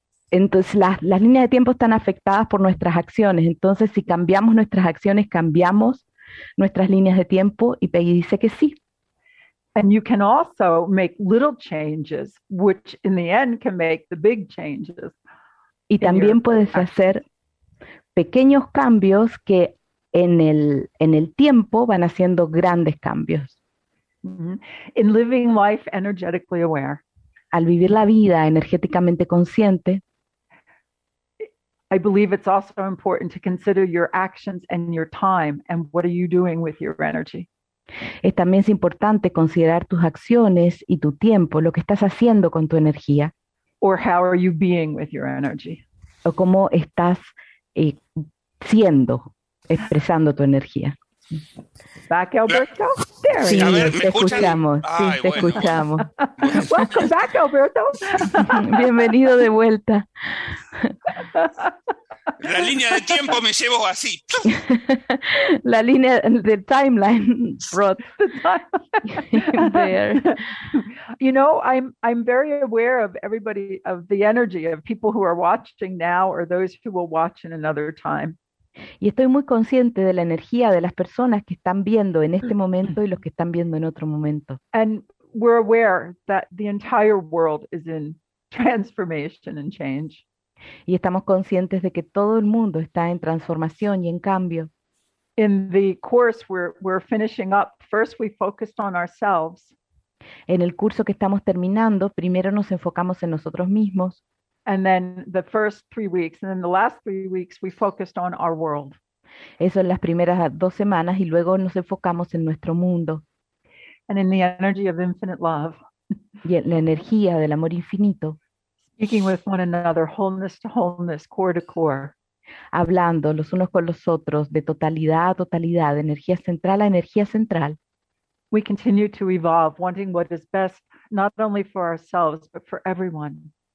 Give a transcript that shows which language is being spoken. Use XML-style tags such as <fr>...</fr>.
<es>Entonces las líneas de tiempo están afectadas por nuestras acciones. Entonces si cambiamos nuestras acciones, cambiamos nuestras líneas de tiempo. Y Peggy dice que sí.</es> <en>And you can also make little changes, which in the end can make the big changes.</en> <es>Y también puedes hacer pequeños cambios que en el tiempo van haciendo grandes cambios.</es> <en>In living life energetically aware.</en> <es>Al vivir la vida energéticamente consciente,</es> <en>I believe it's also important to consider your actions and your time and what are you doing with your energy.</en> <es>Es también es importante considerar tus acciones y tu tiempo, lo que estás haciendo con tu energía.</es> <en>Or how are you being with your energy?</en> <es>O cómo estás siendo, expresando tu energía.</es> <en>Back, Alberto. There</en> <es>sí, te escuchamos. Sí, ay, te bueno. Escuchamos.</es> <en>Welcome back, Alberto.</en> <es>Bienvenido de vuelta. La línea de tiempo me llevo así. La línea de timeline, Rod.</es> <en>There. You know, I'm very aware of everybody, of the energy of people who are watching now or those who will watch in another time.</en> <es>Y estoy muy consciente de la energía de las personas que están viendo en este momento y los que están viendo en otro momento.</es> <en>And we're aware that the entire world is in transformation and change.</en> <es>Y estamos conscientes de que todo el mundo está en transformación y en cambio.</es> <en>In the course we're finishing up, first we focused on ourselves.</en> <es>En el curso que estamos terminando, primero nos enfocamos en nosotros mismos.</es> <en>And then the first 3 weeks, and then the last 3 weeks, we focused on our world.</en> <es>Eso en las primeras 2 semanas, y luego nos enfocamos en nuestro mundo.</es> <en>And in the energy of infinite love.</en> <es>Y en la energía del amor infinito.</es> <en>Speaking with one another, wholeness to wholeness, core to core.</en> <es>Hablando los unos con los otros, de totalidad a totalidad, de energía central a energía central.</es> <en>We continue to evolve, wanting what is best, not only for ourselves, but for everyone.</en>